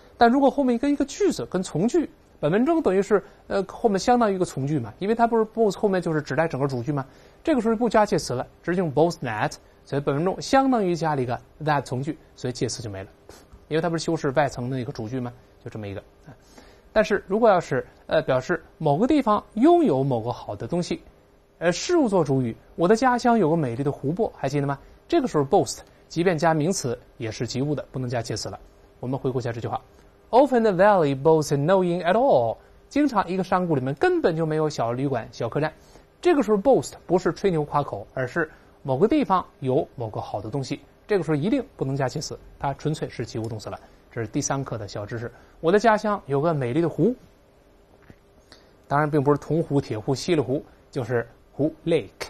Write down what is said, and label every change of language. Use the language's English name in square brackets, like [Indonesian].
[Chinese] 但如果后面一个句子跟从句。本文中等于是后面相当于一个从句嘛，因为它不是 boast 后面就是指代整个主句嘛，这个时候不加介词了，直接用 [English] boast that， [Chinese] 所以本文中相当于加了一个 that 从句，所以介词就没了，因为它不是修饰外层的一个主句嘛，就这么一个。但是如果要是表示某个地方拥有某个好的东西，事物做主语，我的家乡有个美丽的湖泊，还记得吗？这个时候 boast 即便加名词也是及物的，不能加介词了。我们回顾一下这句话。 [English] Often the valley boasts no inn at all. [Chinese] 经常一个山谷里面根本就没有小旅馆、小客栈。这个时候 boast 不是吹牛夸口，而是某个地方有某个好的东西。这个时候一定不能加介词，它纯粹是及物动词了。这是第三课的小知识。我的家乡有个美丽的湖，当然并不是铜湖、铁湖、西里湖，就是湖 lake。